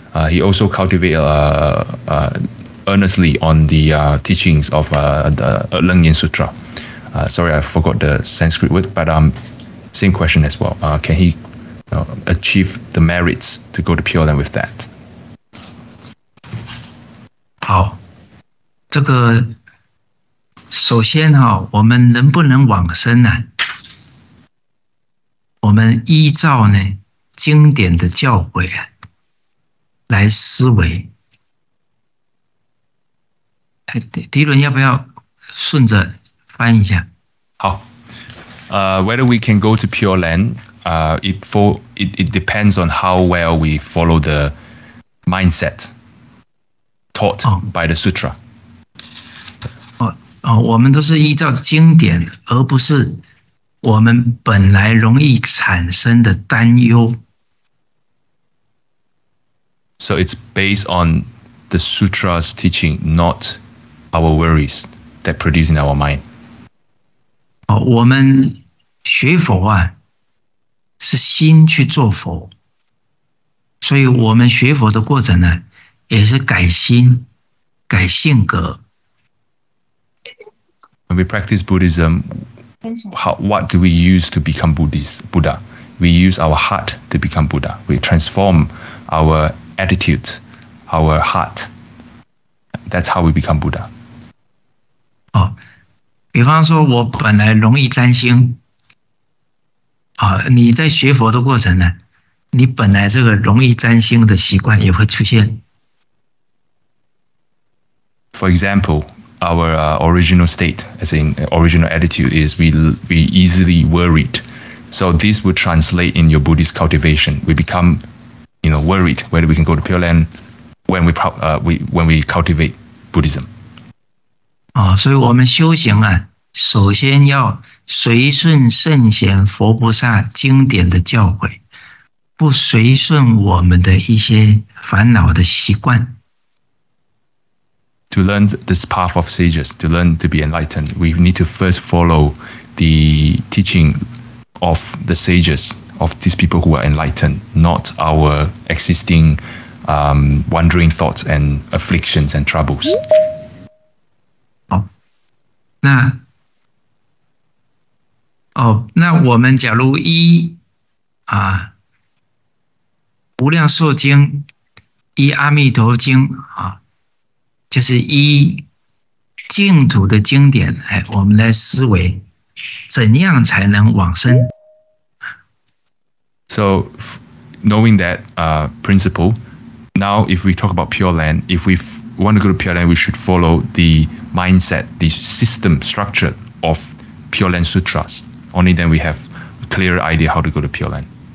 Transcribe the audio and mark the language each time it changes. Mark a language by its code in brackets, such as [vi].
[en] He also cultivated earnestly on the teachings of the Leng Yan Sutra. Sorry, I forgot the Sanskrit word, but same question as well. Can he achieve the merits to go to Pure Land with that? [zh] 好，这个首先哈，我们能不能往生呢？我们依照呢经典的教诲啊来思维。迪伦要不要顺着翻一下？好， [en] whether we can go to Pure Land, it depends on how well we follow the mindset taught by the sutra. [zh] 我们都是依照经典，而不是我们本来容易产生的担忧。 [en] So it's based on the sutra's teaching, not our worries that produce in our mind. [zh] 我们学佛啊，是心去做佛，所以我们学佛的过程呢，也是改心、改性格。 [en] When we practice Buddhism, what do we use to become Buddha? We use our heart to become Buddha. We transform our attitude, our heart. That's how we become Buddha. [zh] 比方说我本来容易担心，你在学佛的过程呢，你本来这个容易担心的习惯也会出现。 [en] For example, our original state, as in original attitude, is we easily worried. So this would translate in your Buddhist cultivation. We become, you know, worried whether we can go to Pure Land when we cultivate Buddhism. [zh] 所以我们修行啊，首先要随顺圣贤佛菩萨经典的教诲，不随顺我们的一些烦恼的习惯。 [en] to learn this path of sages, to learn to be enlightened, we need to first follow the teaching of the sages, of these people who are enlightened, not our existing wandering thoughts and afflictions and troubles. [zh] 那我们假如依无量寿经，依阿弥陀经，就是依净土的经典，我们来思维怎样才能往生。 [en] So, knowing that principle, now if we talk about Pure Land, if we want to go to Pure Land, we should follow the mindset, the system structure of Pure Land Sutras. Only then we have a clear idea how to go to Pure Land.